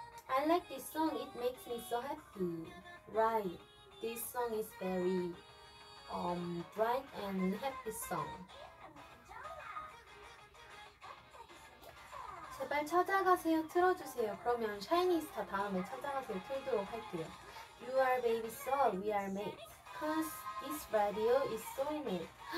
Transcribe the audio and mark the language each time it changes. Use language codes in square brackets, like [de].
[en] I like this song, it makes me so happy. Right, this song is very bright and happy song. [ko] 제발 찾아가세요 틀어주세요. 그러면 샤이니스타 다음에 찾아가세요 틀도록 할게요. [en] You are baby so we are mates cause this radio is soulmate.